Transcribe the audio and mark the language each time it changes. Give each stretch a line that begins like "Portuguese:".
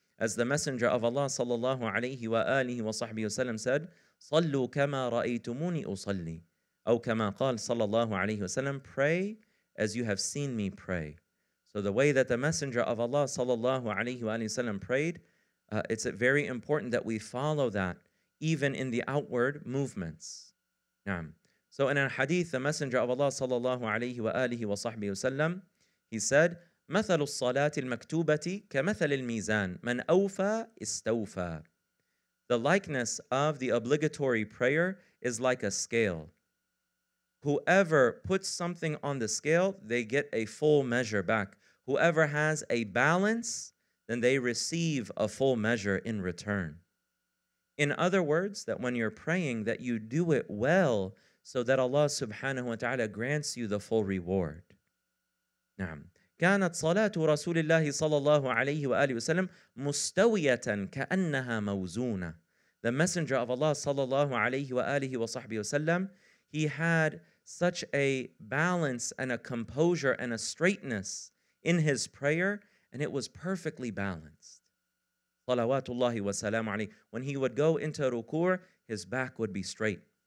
English: As the Messenger of Allah sallallahu alayhi wa alihi wa sahbihi wasallam said,
Arabic: صلوا كما رأيتموني أصلي أو كما قال صلى الله عليه وسلم,
English: pray as you have seen me pray. So the way that the Messenger of Allah صلى الله عليه وسلم prayed, it's very important that we follow that even in the outward movements.
Arabic: نعم.
English: So in a hadith, the Messenger of Allah صلى الله عليه وصحبه وسلم, he said,
Arabic: مثل الصلاة المكتوبة كمثل الميزان من أوفى استوفى.
English: The likeness of the obligatory prayer is like a scale. Whoever puts something on the scale, they get a full measure back. Whoever has a balance, then they receive a full measure in return. In other words, that when you're praying, that you do it well so that Allah subhanahu wa ta'ala grants you the full reward.
Arabic: نعم. كانت صلاة رسول الله صلى الله عليه وآله وسلم مستوية كأنها موزونة.
English: the Messenger of Allah sallallahu alayhi wa alihi wa sahbihi wa sallam, he had such a balance and a composure and a straightness in his prayer, and it was perfectly balanced. Salawatullahi wa salam alayhi. When he would go into ruku', his back would be straight.